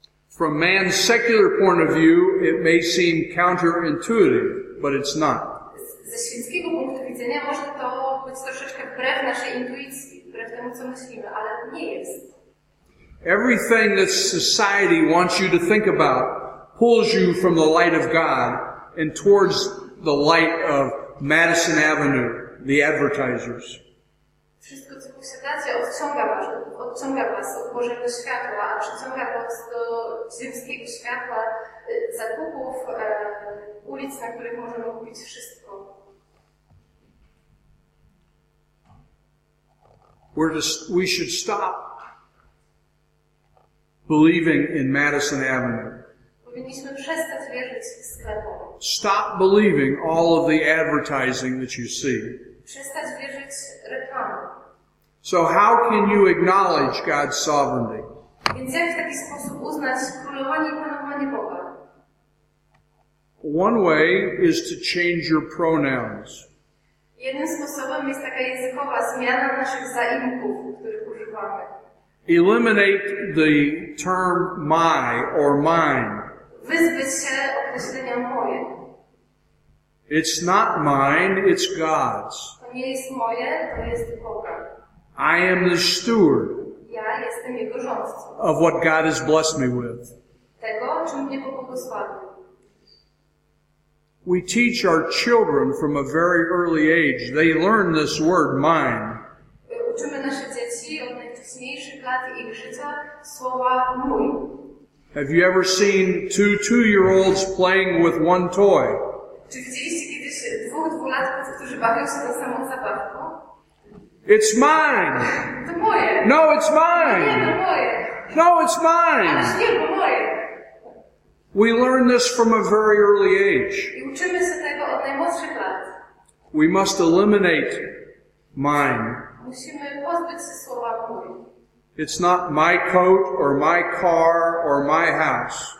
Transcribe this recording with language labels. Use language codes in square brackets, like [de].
[en] From man's secular point of view, it may seem counterintuitive, but it's not. [pl] Ze świeckiego punktu widzenia może to być troszeczkę wbrew naszej intuicji, wbrew temu, co myślimy, ale nie jest. [en] Everything that society wants you to think about pulls you from the light of God and towards the light of Madison Avenue, the advertisers. [pl] Wszystko, co posiadacie, odciąga was od Bożego światła, a przyciąga was do ziemskiego światła, zakupów, ulic, na których możemy kupić wszystko. [en] We should stop believing in Madison Avenue. [pl] Powinniśmy przestać wierzyć sklepom. [en] Stop believing all of the advertising that you see. [pl] Przestać wierzyć reklamom. [en] So how can you acknowledge God's sovereignty? [pl] Więc jak w taki sposób uznać królowanie i panowanie Boga? [en] One way is to change your pronouns. [pl] Jednym sposobem jest taka językowa zmiana naszych zaimków, których używamy. [en] Eliminate the term my or mine. [pl] Wyzbyć się określenia moje. [en] It's not mine, it's God's. [pl] To nie jest moje, to jest Boga. [en] I am the steward. [pl] Ja jestem jego rządcą. [en] Of what God has blessed me with. [pl] Tego, czym mnie pobłogosławił. [en] We teach our children from a very early age. They learn this word, mine. [pl] Uczymy nasze dzieci od najwcześniejszych lat ich życia słowa mój. [en] Have you ever seen two-year-olds playing with one toy? [pl] Czy widzieliście kiedyś dwóch-dwulatków, którzy bawią się tą samą zabawką? [en] It's mine! [pl] To moje! [en] No, it's mine! [pl] Nie, to moje! [en] No, it's mine! [pl] Ależ nie, to moje! [en] We learn this from a very early age. [pl] I uczymy się tego od najmłodszych lat. [en] We must eliminate mine. [pl] Musimy pozbyć się słowa mój. [en] It's not my coat or my car or my house.